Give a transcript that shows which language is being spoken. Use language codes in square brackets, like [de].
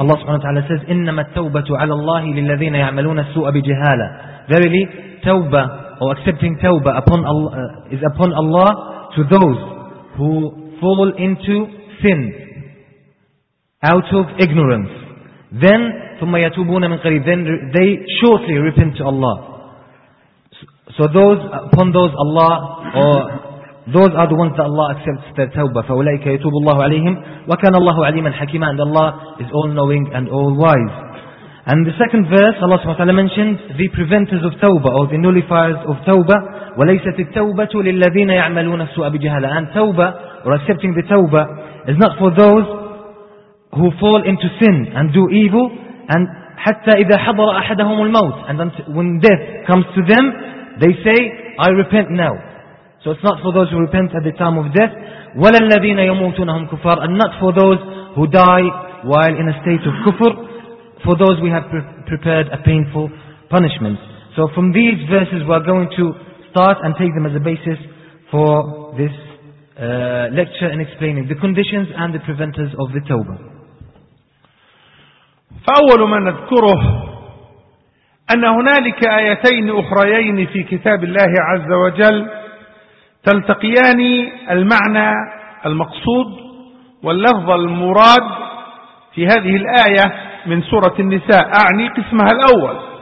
[ar] Allah subhanahu wa ta'ala says, إِنَّمَا التَّوْبَةُ عَلَى اللَّهِ لِلَّذِينَ يَعْمَلُونَ السُّوءَ بِجِهَالَةٍ. [en] Verily, tawbah or accepting tawbah upon Allah, is upon Allah to those who fall into sin out of ignorance. [ar] Then, ثُمَّ يَتُوبُونَ مِنْ قَرِيبٍ. [en] Then they shortly repent to Allah. So those upon those Allah or those are the ones that Allah accepts their tawbah. [ar] فَأُولَٰئِكَ يَتُوبُ اللَّهُ عَلَيْهِمْ وَكَانَ اللَّهُ عَلِيمًا حَكِيمًا. [en] And Allah is all-knowing and all-wise. And the second verse, Allah subhanahu wa ta'ala mentions the preventers of tawbah or the nullifiers of tawbah. [ar] وَلَيْسَتِ التَّوْبَةُ لِلَّذِينَ يَعْمَلُونَ السُّوءَ بِجَهَالَةٍ. [en] And tawbah or accepting the tawbah is not for those who fall into sin and do evil. [ar] And حَتَّى إِذَا حَضَرَ أَحَدَهُمُ الْمَوْتِ. [en] And when death comes to them, they say, I repent now. So it's not for those who repent at the time of death. [ar] وَلَلَّذِينَ يَمُوتُونَهُمْ كُفَرٌ. [en] And not for those who die while in a state of kufr. For those we have prepared a painful punishment. So from these verses we are going to start and take them as a basis for this lecture in explaining the conditions and the preventers of the tawbah. [ar] فأول ما نذكره أن هنالك آيتين أخريين في كتاب الله عز وجل تلتقيان المعنى المقصود واللفظ المراد في هذه الآية من سورة النساء، أعني قسمها الأول.